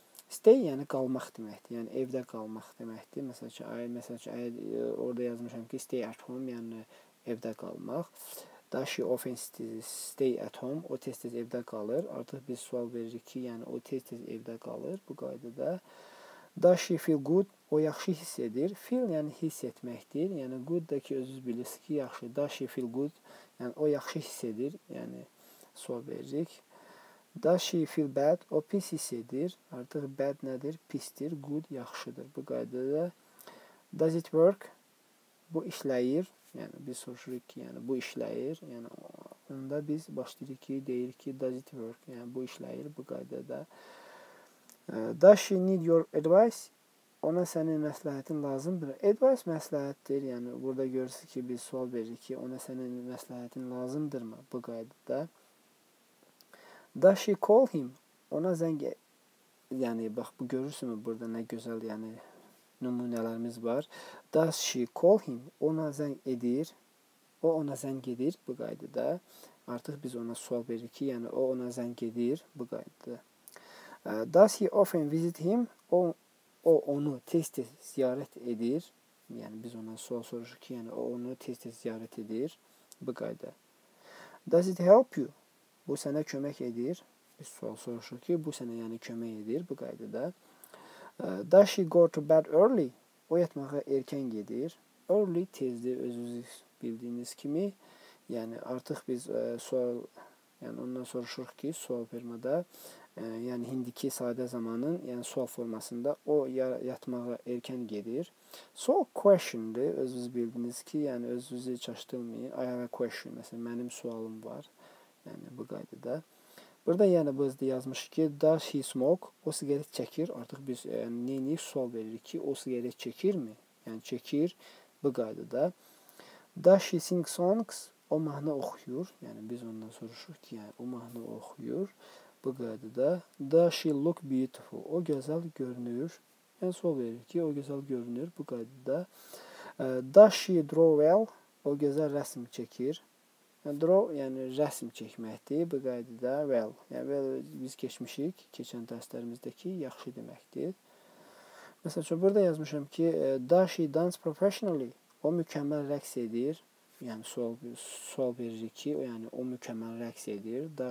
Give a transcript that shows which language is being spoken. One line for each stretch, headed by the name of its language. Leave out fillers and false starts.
Azerbaijani: Stay, yəni qalmaq deməkdir. Yəni, evdə qalmaq deməkdir. Məsəl üçün, orada yazmışam ki,
English: stay at home,
Azerbaijani: yəni evdə qalmaq.
English: Does she often stay at home?
Azerbaijani: O tez-tez evdə qalır. Artıq biz sual veririk ki, yəni o tez-tez evdə qalır bu qaydada.
English: Does she feel good?
Azerbaijani: O yaxşı hiss edir. Feel yəni hiss etməkdir. Yəni good da ki özünüz bilirsiniz ki yaxşı.
English: Does she feel good?
Azerbaijani: Yəni o yaxşı hiss edir. Yəni sual veririk.
English: Does she feel bad?
Azerbaijani: O pis hiss edir. Artıq bad nədir? Pisdir. Good yaxşıdır. Bu qaydada.
English: Does it work?
Azerbaijani: Bu işləyir. Yəni biz soruşuruq ki, yəni bu işləyir. Yəni onda biz başlayırıq ki, deyir ki,
English: does it work?
Azerbaijani: Yəni bu işləyir bu qaydada.
English: Does she need your advice?
Azerbaijani: Ona sənin məsləhətin lazımdır. Advice məsləhətdir. Yəni, burada görürsün ki, bir sual verir ki, ona sənin məsləhətin lazımdır mı bu qaydada?
English: Does she call him?
Azerbaijani: Ona zəng... Yəni, bax, bu görürsünmü burada nə gözəl yəni, nümunələrimiz var.
English: Does she call him?
Azerbaijani: Ona zəng edir. O ona zəng edir bu qaydada. Artıq biz ona sual verir ki, yəni, o ona zəng edir bu qaydada.
English: Does he often visit him?
Azerbaijani: O onu tez-tez ziyarət edir. Yəni biz ona sual soruşuq ki, yəni o onu tez-tez ziyarət edir bu qayda.
English: Does it help you?
Azerbaijani: Bu sənə kömək edir. Biz sual soruşuq ki, bu sənə yəni kömək edir bu qayda da.
English: Does she go to bed early?
Azerbaijani: O yatmağa erkən gedir. Early tezdir özünüz bildiyiniz kimi. Yəni artıq biz sual yəni ondan soruşuruq ki, sual vermədə yəni indiki sadə zamanın, yəni sual formasında o yatmağa erkən gedir. So question-dir. Özünüz bildiniz ki, yəni özünüzü çaşdırmayın.
English: I have a question.
Azerbaijani: Məsələn, mənim sualım var. Yəni bu qaydada. Burada yani biz de yazmış ki,
English: does he smoke?
Azerbaijani: O sigaret çekir. Artık biz neyini sual veririk ki, o sigaret çekir mi? Yani çekir bu kaydada.
English: Does he sing songs?
Azerbaijani: O mahnı oxuyur. Yani biz ondan soruşuruz ki, yani o mahnı oxuyur. Bu kaydada.
English: Does she look beautiful?
Azerbaijani: O güzel görünür. Yani sual veririk ki, o güzel görünür bu kaydada.
English: Does she draw well?
Azerbaijani: O güzel resim çekir. Draw, yani rəsm çəkməkdir bu qaydada, well. Yəni, well, biz keçmişik, keçən dərslərimizdəki yaxşı deməkdir. Məsəl üçün, burada yazmışım ki,
English: does she dance professionally?
Azerbaijani: O mükəmməl rəqs edir. Yəni, sual veririk ki, yəni, o mükəmməl rəqs edir.